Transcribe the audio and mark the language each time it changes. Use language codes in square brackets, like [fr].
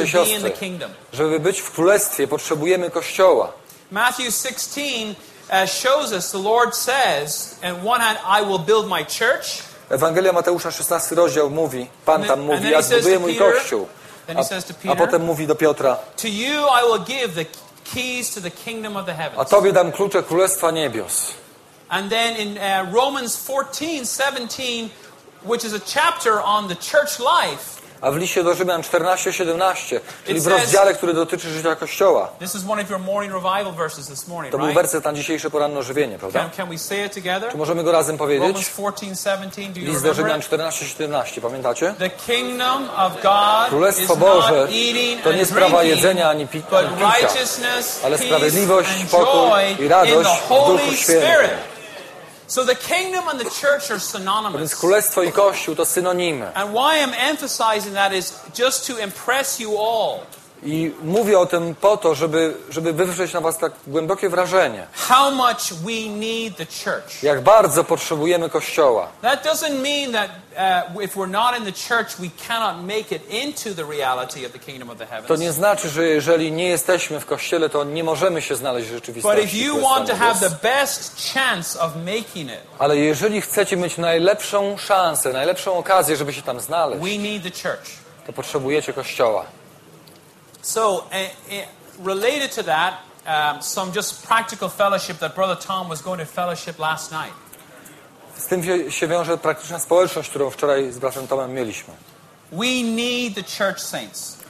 [pl] i siostry, żeby być w Królestwie, potrzebujemy Kościoła. [en] Matthew 16 shows us, the Lord says, in one hand, I will build my church. [pl] Ewangelia Mateusza, 16 rozdział, mówi, Pan tam mówi, ja zbuduję mój Kościół. A potem mówi do Piotra, [en] to you I will give the keys to the kingdom of the heavens. [pl] A tobie dam klucze Królestwa Niebios. [en] And then in Romans 14:17, which is a chapter on the church life. [pl] A w liście do Rzymian 14:17, czyli w rozdziale, który dotyczy życia Kościoła. [en] This is one of your morning revival verses this morning, [pl] to był werset na dzisiejsze poranne ożywienie, prawda? [en] Can we say it together? [pl] Czy możemy go razem powiedzieć? [en] Romans 14:17, do you [pl] list do Rzymian 14:17, pamiętacie? [en] The kingdom of God [pl] Królestwo Boże [en] is not eating [pl] to nie sprawa jedzenia ani picia, [en] but righteousness, [pl] ale sprawiedliwość, pokój i radość w Duchu Świętym. [en] So the kingdom and the church are synonymous. [pl] Więc Królestwo i Kościół to synonimy. [en] And why I'm emphasizing that is just to impress you all. [pl] I mówię o tym po to, żeby wywrzeć na was tak głębokie wrażenie. [en] How much we need the church. [pl] Jak bardzo potrzebujemy Kościoła. [en] That doesn't mean that if we're not in the church, we cannot make it into the reality of the kingdom of the heavens. [pl] To nie znaczy, że jeżeli nie jesteśmy w kościele, to nie możemy się znaleźć w rzeczywistości. [en] But if you want to have the best chance of making it, [pl] ale jeżeli chcecie mieć najlepszą szansę, najlepszą okazję, żeby się tam znaleźć, [en] we need the church. [pl] To potrzebujecie Kościoła. [en] So related to that, some just practical fellowship that Brother Tom was going to fellowship last night. [pl] Z tym się wiąże praktyczna społeczność, którą wczoraj z Bratem Tomem mieliśmy. [en] We need the church saints.